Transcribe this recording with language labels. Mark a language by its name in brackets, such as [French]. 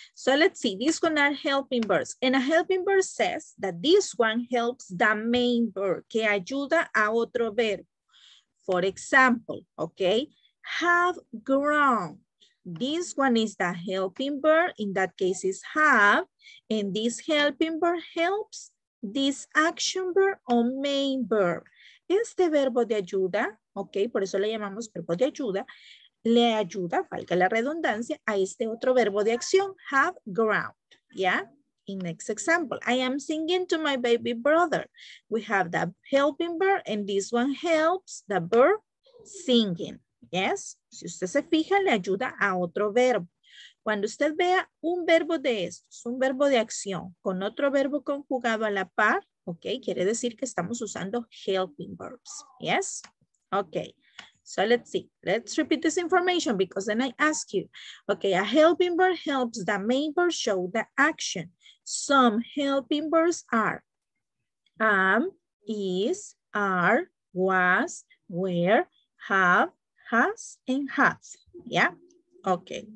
[English] So let's see, these one are helping verbs, and a helping verb says that this one helps the main verb, [Spanish] que ayuda a otro verbo. [English] For example, okay, have grown, this one is the helping verb, in that case is have, and this helping verb helps this action verb or main verb. [Spanish] Este verbo de ayuda, ok, por eso le llamamos verbo de ayuda, le ayuda, valga la redundancia, a este otro verbo de acción, [English] have grown, yeah? In next example, I am singing to my baby brother. We have the helping verb and this one helps the verb singing, yes? [Spanish] Si usted se fija, le ayuda a otro verbo. Cuando usted vea un verbo de estos, un verbo de acción, con otro verbo conjugado a la par, ok, quiere decir que estamos usando helping verbs. [English] Yes? Ok. So let's see. Let's repeat this information because then I ask you. Ok, a helping verb helps the main verb show the action. Some helping verbs are am, is, are, was, were, have, has, and has. Yeah? Ok.